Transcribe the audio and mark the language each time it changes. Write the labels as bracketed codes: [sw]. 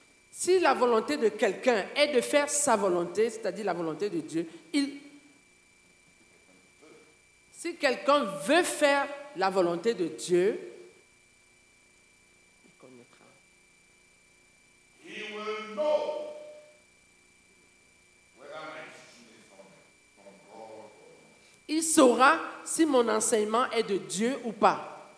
[fr] Si la volonté de quelqu'un est de faire sa volonté, c'est-à-dire la volonté de Dieu, il... Si quelqu'un veut faire la volonté de Dieu, il connaîtra. [en] He will know whether my teaching is from God or not. [fr] Il saura si mon enseignement est de Dieu ou pas.